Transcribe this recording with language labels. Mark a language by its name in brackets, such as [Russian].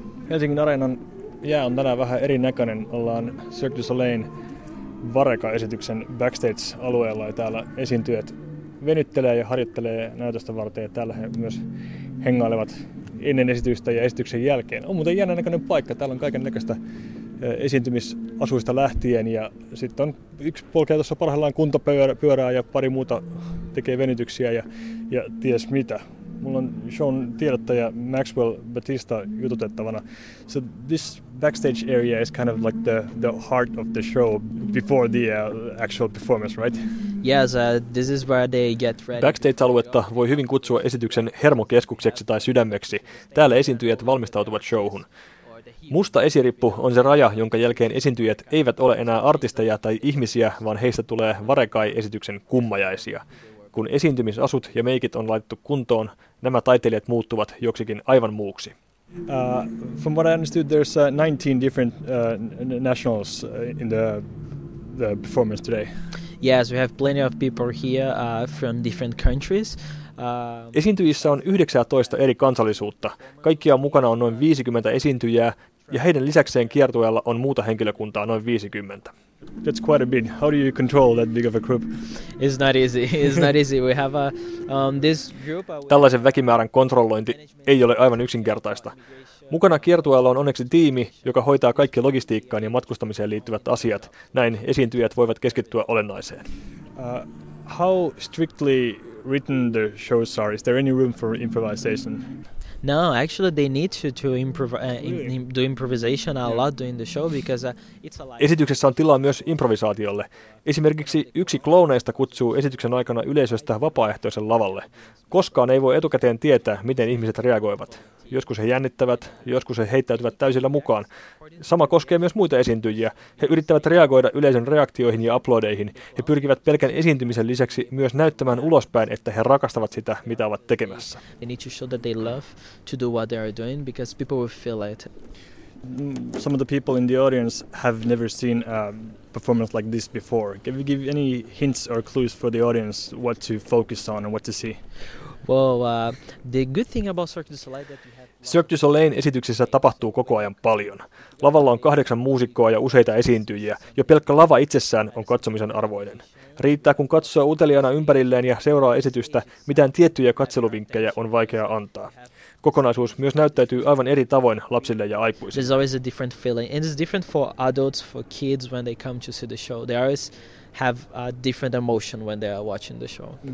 [Finnish] Helsingin areenan jää on tänään vähän erinäköinen. Ollaan Cirque du Soleil Vareka-esityksen backstage-alueella ja täällä esiintyjät venyttelee ja harjoittelee näytöstä varten. Ja täällä he myös hengailevat ennen esitystä ja esityksen jälkeen. On muuten jännä näköinen paikka. Täällä on kaiken näköistä esiintymisasuista lähtien. Ja sitten on yksi polkea tuossa parhaillaan kuntopyörää ja pari muuta tekee venytyksiä ja ties mitä. Mulla on shown tiedottaja Maxwell Batista jututettavana. [English] So this backstage area is kind of like the heart of the show before the actual performance, right? Yes, this is where they get ready. [Finnish] Backstage-aluetta voi hyvin kutsua esityksen hermokeskukseksi tai sydämeksi. Täällä esiintyjät valmistautuvat showhun. Musta esirippu on se raja, jonka jälkeen esiintyjät eivät ole enää artisteja tai ihmisiä, vaan heistä tulee Varekai-esityksen kummajaisia. Kun esiintymisasut ja meikit on laitettu kuntoon, nämä taiteilijat muuttuvat joksikin aivan muuksi. [English] From what I understood, there's 19 different nationals in the performance today. Yes, we have plenty of people here from different countries. Esiintyjissä on 19 eri kansallisuutta. Kaikkiaan mukana on noin 50 esiintyjää, ja heidän lisäkseen kiertueella on muuta henkilökuntaa noin 50. That's quite a bit. How do you control that big of a group? It's not easy. It's not easy. We have a this group. [Finnish] Tällaisen väkimäärän kontrollointi ei ole aivan yksinkertaista. Mukana kiertueella on onneksi tiimi, joka hoitaa kaikki logistiikkaan ja matkustamiseen liittyvät asiat. Näin esiintyjät voivat keskittyä olennaiseen. [English] How strictly written the shows are? Is there any room for improvisation? No, actually they need to do improvisation a lot during the show because it's a [Finnish] esityksessä on tilaa myös improvisaatiolle. Esimerkiksi yksi klooneista kutsuu esityksen aikana yleisöstä vapaaehtoisen lavalle. Koskaan ei voi etukäteen tietää, miten ihmiset reagoivat. Joskus he jännittävät, joskus he heittäytyvät täysillä mukaan. Sama koskee myös muita esiintyjiä. He yrittävät reagoida yleisön reaktioihin ja aplodeihin. He pyrkivät pelkän esiintymisen lisäksi myös näyttämään ulospäin, että he rakastavat sitä, mitä ovat tekemässä. [English] They need to show that they love to do what they are doing because people will feel it. Some of the people in the audience have never seen a performance like this before. Can you give any hints or clues for the audience what to focus on and what to see? Well, the good thing about Cirque du Soleil that you have [Finnish] Cirque du Soleil esityksessä tapahtuu koko ajan paljon. Lavalla on 8 muusikkoa ja useita esiintyjiä. Jo pelkkä lava itsessään on katsomisen arvoinen. Riittää, kun katsoo uteliaana ympärilleen ja seuraa esitystä, mitään tiettyjä katseluvinkkejä on vaikea antaa. Kokonaisuus myös näyttäytyy aivan eri tavoin lapsille ja aikuisille. [English] There's always a different feeling. And it's different for adults, for kids when they come to see the show. They always have a different emotion when they are watching the show.